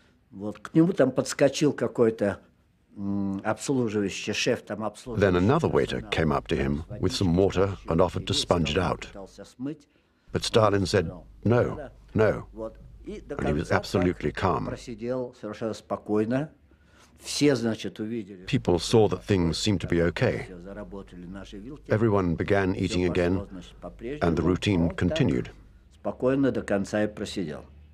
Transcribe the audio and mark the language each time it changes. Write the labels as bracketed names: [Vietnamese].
[Russian] Вот к нему там подскочил какой-то обслуживающий шеф там обслуживающий. [English] Then another waiter came up to him with some water and offered to sponge it out. But Stalin said, "No, no." And he was absolutely calm. [Russian] Просидел совершенно спокойно. Все, значит, увидели. [English] People saw that things seemed to be okay. Everyone began eating again, and the routine continued. [Russian] Спокойно до конца и просидел.